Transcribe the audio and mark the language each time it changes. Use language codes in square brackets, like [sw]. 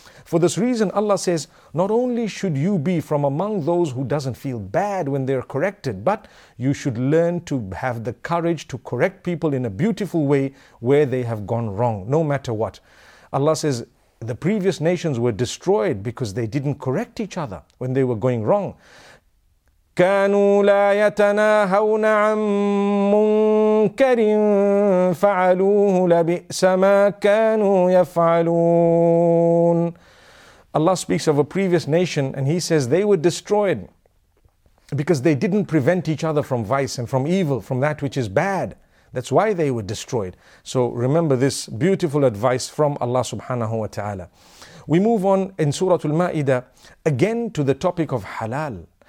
[en] For this reason, Allah says, not only should you be from among those who doesn't feel bad when they're corrected, but you should learn to have the courage to correct people in a beautiful way where they have gone wrong, no matter what. Allah says, the previous nations were destroyed because they didn't correct each other when they were going wrong. [ar] كانوا لا يتناهون عن منكر فعلوه لبئس ما كانوا يفعلون. [en] Allah speaks of a previous nation and He says they were destroyed because they didn't prevent each other from vice and from evil, from that which is bad. That's why they were destroyed. So remember this beautiful advice from Allah subhanahu wa ta'ala. We move on in Surah Al-Ma'idah again to the topic of halal.